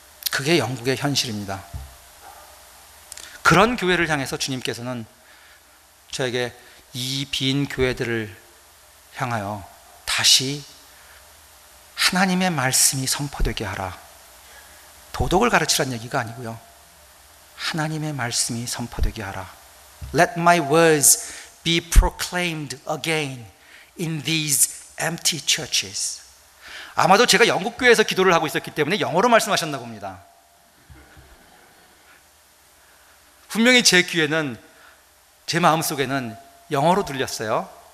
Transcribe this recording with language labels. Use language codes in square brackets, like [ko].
[ko] 그게 영국의 현실입니다. 그런 교회를 향해서 주님께서는 저에게 이 빈 교회들을 향하여 다시 하나님의 말씀이 선포되게 하라. 도덕을 가르치라는 얘기가 아니고요. 하나님의 말씀이 선포되게 하라. [en] Let my words be proclaimed again in these empty churches. [ko] 아마도 제가 영국 교회에서 기도를 하고 있었기 때문에 영어로 말씀하셨나 봅니다. 분명히 제 귀에는 제 마음속에는 영어로 들렸어요.